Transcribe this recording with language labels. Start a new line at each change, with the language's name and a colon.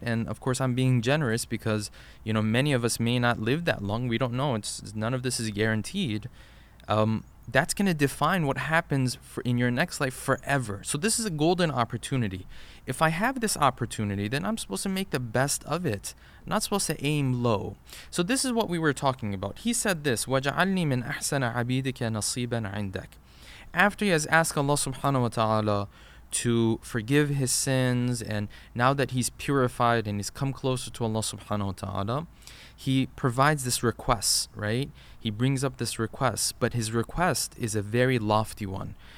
English: And of course, I'm being generous because, you know, many of us may not live that long. We don't know. None of this is guaranteed. That's going to define what happens in your next life forever. So this is a golden opportunity. If I have this opportunity, then I'm supposed to make the best of it. I'm not supposed to aim low. So this is what we were talking about. He said this,
Arabic: وَجَعَلْنِي مِنْ أَحْسَنَ عَبِيدِكَ نَصِيبًا عِنْدَكَ.
English: After he has asked Allah subhanahu wa ta'ala to forgive his sins, and now that he's purified and he's come closer to Allah subhanahu wa ta'ala, he provides this request, right? He brings up this request, but his request is a very lofty one.